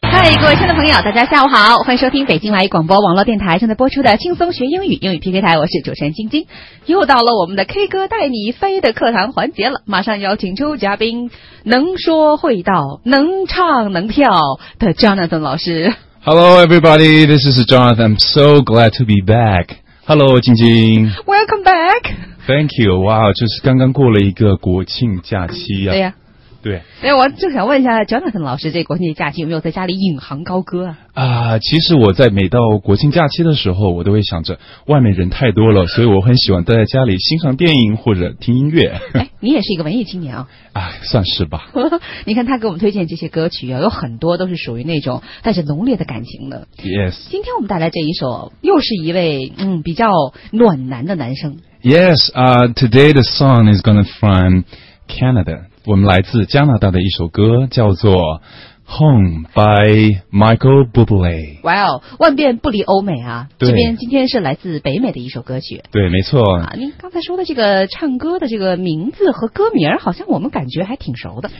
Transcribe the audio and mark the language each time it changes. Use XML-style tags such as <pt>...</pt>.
<zh>嘿，各位亲爱的朋友，大家下午好，欢迎收听北京华语广播网络电台正在播出的轻松学英语英语 PK 台，我是主持人晶晶。又到了我们的 K 歌带你飞的课堂环节了，马上邀请出嘉宾，能说会道，能唱能跳的 Jonathan 老师。</zh> <en>Hello everybody, this is Jonathan. I'm so glad to be back. Hello, 晶晶。 Welcome back. Thank you.</en> <zh>Wow, 就是刚刚过了一个国庆假期啊。对呀、啊。对，那我就想问一下 Jonathan 老师，这国庆假期有没有在家里引吭高歌啊？啊，其实我在每到国庆假期的时候，我都会想着外面人太多了，所以我很喜欢待在家里欣赏电影或者听音乐。哎，你也是一个文艺青年啊？啊，算是吧。你看他给我们推荐这些歌曲啊，有很多都是属于那种带着浓烈的感情的。</zh> <en>Yes，</en> <zh>今天我们带来这一首，又是一位比较暖男的男生。</zh> <en>Yes， today the song is gonna from Canada.</en> <zh>我们来自加拿大的一首歌叫做 Home by Michael Bublé。哇哦，万变不离欧美啊。对，这边今天是来自北美的一首歌曲。对，没错、啊、您刚才说的这个唱歌的这个名字和歌名好像我们感觉还挺熟的。</zh>